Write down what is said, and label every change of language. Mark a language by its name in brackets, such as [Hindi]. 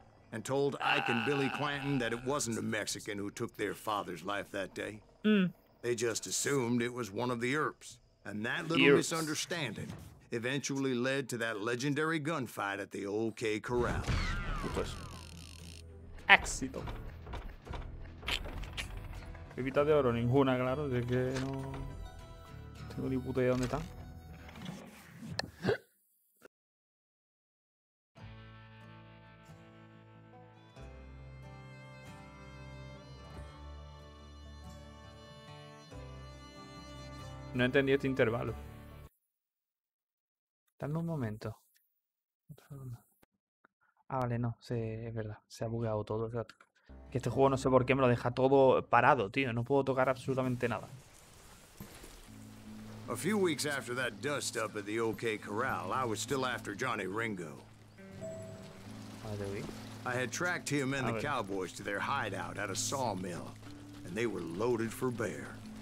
[English] and told Ike and Billy Clanton that it wasn't a Mexican who took their father's life that day. Mm. They just assumed it was one of the Earps. And that little Earps misunderstanding eventually led to that legendary gunfight at the OK Corral. [Spanish] Éxito. Pepita de oro, ninguna, claro, de que no tengo ni puta idea dónde están. No entendí este intervalo. Dame un momento. Ah, vale, no. Es verdad. Se ha bugueado todo. Que este juego no sé por qué me lo deja todo parado, tío. No puedo tocar absolutamente nada. [English] A few weeks after that dust up at the OK Corral, I was still after Johnny Ringo. I had tracked him and the cowboys to their hideout at a sawmill, and they were loaded for bear.